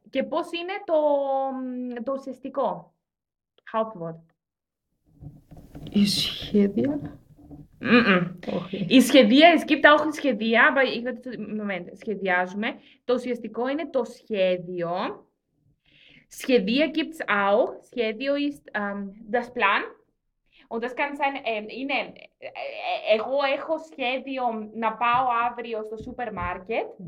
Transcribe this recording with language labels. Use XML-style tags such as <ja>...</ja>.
<el>Και πώς είναι το ουσιαστικό.</el> <de>Hauptwort.</de> <el>Η σχέδια. Όχι.</el> <de>Η σχεδία, es gibt auch σχεδία, moment, σχεδιάζουμε.</de> <el>Το ουσιαστικό είναι το σχέδιο.</el> <de>Σχεδία gibt's auch. Σχέδιο ist das Plan. Und das kann sein,</de> <el>είναι, εγώ έχω σχέδιο να πάω αύριο στο σούπερ μάρκετ.</el>